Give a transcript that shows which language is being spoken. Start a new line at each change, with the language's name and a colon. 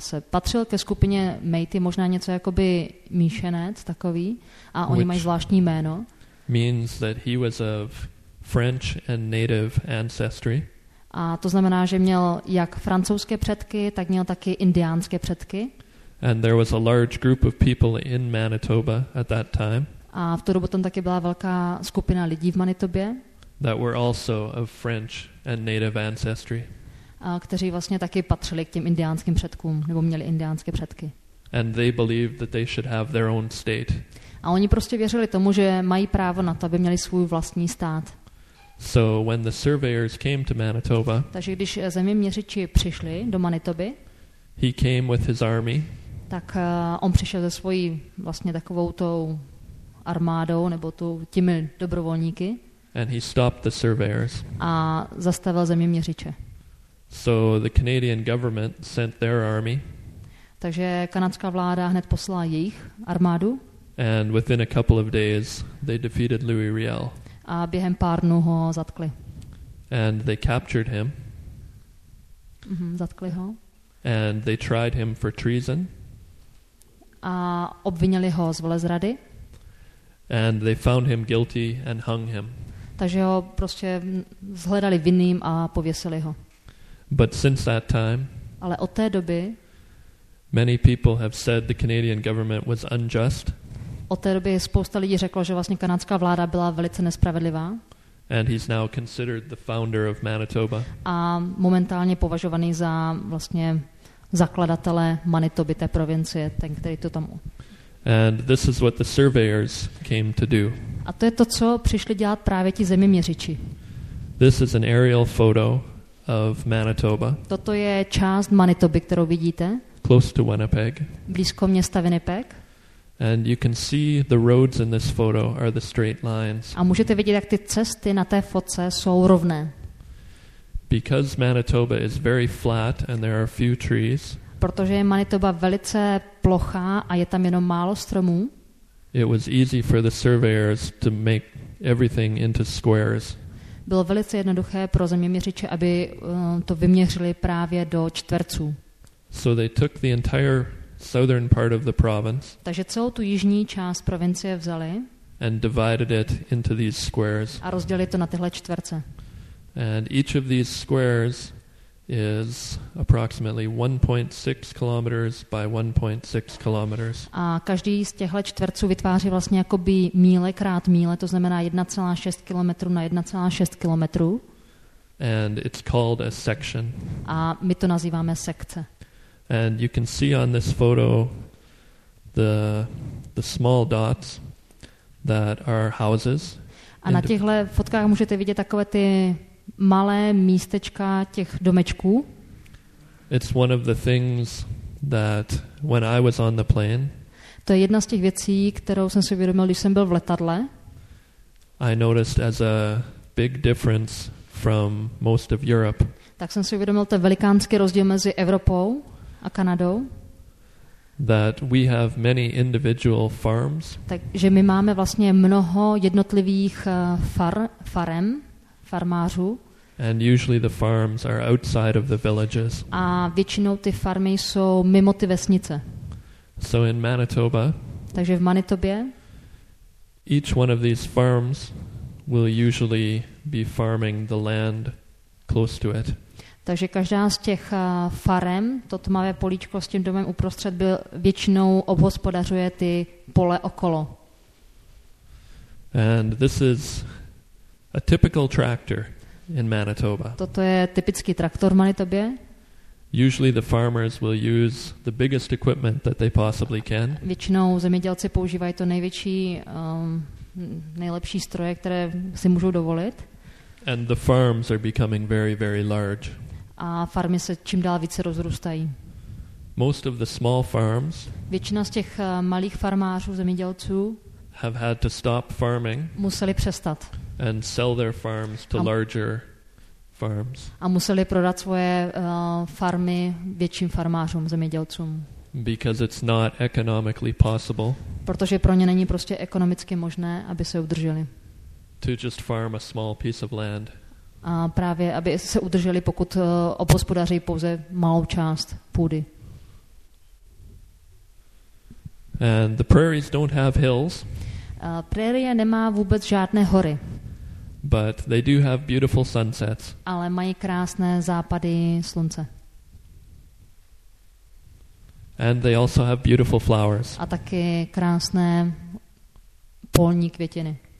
Czech: Patřil ke skupině Métis, možná něco jakoby míšenec takový, a oni mají zvláštní jméno.
English: Means that he was of French and native ancestry.
Czech: A to znamená, že měl jak francouzské předky, tak měl taky indiánské předky.
English: And there was a large group of people in Manitoba at that time.
Czech: A v tu dobu tam taky byla velká skupina lidí v Manitobě.
English: That were also of French and native ancestry.
Czech: A kteří vlastně taky patřili k těm indiánským předkům, nebo měli indiánské předky.
English: And they believed that they should have their own state.
Czech: A oni prostě věřili tomu, že mají právo na to, aby měli svůj vlastní stát.
English: So when the surveyors came to Manitoba,
Czech: takže když zeměměřiči přišli do Manitoby,
English: he came with his army,
Czech: tak on přišel se svojí vlastně takovou tou armádou nebo těmi dobrovolníky,
English: and he stopped the surveyors.
Czech: A zastavil zeměměřiče.
English: So the Canadian government sent their army,
Czech: takže kanadská vláda hned poslala jejich armádu,
English: and within a couple of days they defeated Louis Riel.
Czech: A během pár dnů ho zatkli.
English: And they captured him.
Czech: Zatkli ho.
English: And they tried him for treason.
Czech: A obvinili ho z velezrady.
English: And they found him guilty and hung him.
Czech: Takže ho prostě shledali vinným a pověsili ho.
English: But since that time,
Czech: ale od té doby,
English: many people have said the Canadian government was unjust.
Czech: Od té doby spousta lidí řeklo, že vlastně kanadská vláda byla velice nespravedlivá.
English: And he's now considered the founder of Manitoba.
Czech: A momentálně považovaný za vlastně zakladatele Manitoby, té provincie, ten, který to tam.
English: And this is what the surveyors came to do.
Czech: A to je to, co přišli dělat právě ti zeměměřiči.
English: This is an aerial photo of Manitoba.
Czech: Toto je část Manitoby, kterou vidíte.
English: Close to Winnipeg.
Czech: Blízko města Winnipeg.
English: And you can see the roads in this photo are the straight lines.
Czech: A můžete vidět, jak ty cesty na té fotce jsou rovné.
English: Because Manitoba is very flat and there are few trees.
Czech: Protože je Manitoba velice plochá a je tam jenom málo stromů.
English: It was easy for the surveyors to make everything into squares.
Czech: Bylo velice jednoduché pro zeměměřiče, aby to vyměřili právě do čtverců.
English: So they took the entire southern part of the province.
Czech: Takže celou tu jižní část provincie vzali.
English: And divided it into these squares.
Czech: A rozdělili to na tyhle čtverce.
English: And each of these squares is approximately 1.6 kilometers by 1.6 kilometers.
Czech: A každý z těchhle čtverců vytváří vlastně jakoby míle krát míle, to znamená 1,6 kilometrů na 1,6 kilometrů.
English: And it's called a section.
Czech: A my to nazýváme sekce.
English: And you can see on this photo the small dots that are houses.
Czech: A na těchhle fotkách můžete vidět takové ty malé místečka těch domečků.
English: It's one of the things that when I was on the plane.
Czech: To je jedna z těch věcí, kterou jsem si uvědomil, když jsem byl v letadle.
English: I noticed as a big difference from most of Europe.
Czech: Tak jsem si uvědomil ten velikánský rozdíl mezi Evropou a Kanadou.
English: That we have many individual farms.
Czech: Takže my máme vlastně mnoho jednotlivých farem. Farmářů.
English: And usually the farms are outside of the villages.
Czech: A většinou ty farmy jsou mimo ty vesnice.
English: So in Manitoba.
Czech: Takže v Manitobě.
English: Each one of these farms will usually be farming the land close to it.
Czech: Takže každá z těch farem, to tmavé políčko s tím domem uprostřed, byl většinou obhospodařuje ty pole okolo.
English: And this is a typical tractor in Manitoba.
Czech: Toto je typický traktor v Manitobě.
English: Usually the farmers will use the biggest equipment that they possibly can.
Czech: Většinou zemědělci používají to největší nejlepší stroje, které si můžou dovolit.
English: And the farms are becoming very, very large.
Czech: A farmy se čím dál více rozrůstají.
English: Most of the small farms.
Czech: Většina z těch malých farmářů zemědělců
English: have had to stop farming.
Czech: Museli přestat.
English: And sell their farms to larger farms.
Czech: A museli prodat svoje farmy větším farmářům, zemědělcům.
English: Because it's not economically possible.
Czech: Protože pro ně není prostě ekonomicky možné, aby se udrželi.
English: To just farm a small piece of land.
Czech: A právě aby se udrželi, pokud obhospodaří pouze malou část půdy.
English: And the prairies don't have hills.
Czech: Prérie nemá vůbec žádné hory.
English: But they do have beautiful sunsets.
Czech: Ale mají krásné západy slunce.
English: And they also have beautiful flowers.
Czech: A taky krásné polní květiny.